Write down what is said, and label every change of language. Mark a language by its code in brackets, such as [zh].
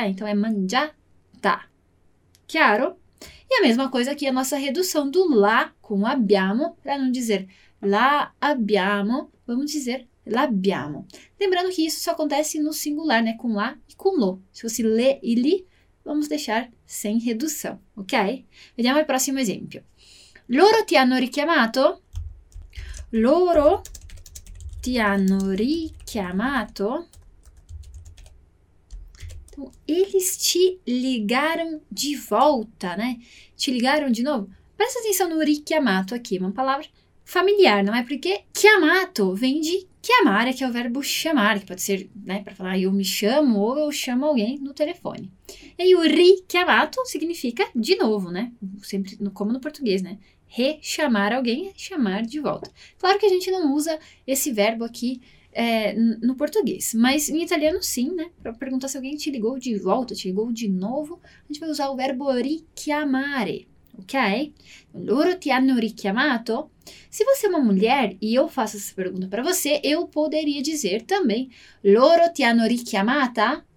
[pt] Então, é mangiata. Chiaro? E a mesma coisa aqui, a nossa redução do la com abbiamo, para não dizer la abbiamo, vamos dizer l'abbiamo. Lembrando que isso só acontece no singular, né? Com la e com lo. Se fosse le e li, vamos deixar sem redução, ok? [it] Vediamo il prossimo esempio. Loro ti hanno richiamato? Loro ti hanno richiamato? [pt] Então, eles te ligaram de volta, né? Te ligaram de novo? Presta atenção no richiamato aqui, uma palavra familiar, não é? Porque chiamato vem de chiamare, que é o verbo chamar, que pode ser, né, para falar eu me chamo ou eu chamo alguém no telefone. E aí, o richiamato significa de novo, né? Sempre como no português, né? Rechamar alguém é chamar de volta. Claro que a gente não usa esse verbo aqui no português, mas em italiano sim, né? Para perguntar se alguém te ligou de volta, te ligou de novo, a gente vai usar o verbo richiamare, ok? [it] Loro ti hanno richiamato? [pt] Se você é uma mulher e eu faço essa pergunta para você, eu poderia dizer também: [it] Loro ti hanno richiamata?